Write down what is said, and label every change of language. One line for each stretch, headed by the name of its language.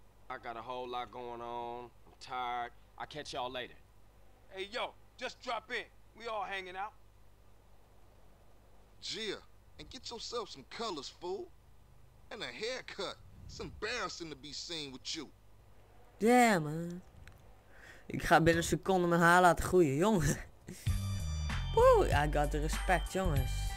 English: I got a whole lot going on. I'm tired. I'll catch y'all later. Hey yo, just drop in. We all hanging out. Gia, and get yourself some colors, fool. And a haircut. It's embarrassing to be seen with you. Damn, man.
Dutch: Ik ga binnen een seconde mijn haar laten groeien, jongen.
English: Woe, I got the respect, jongens.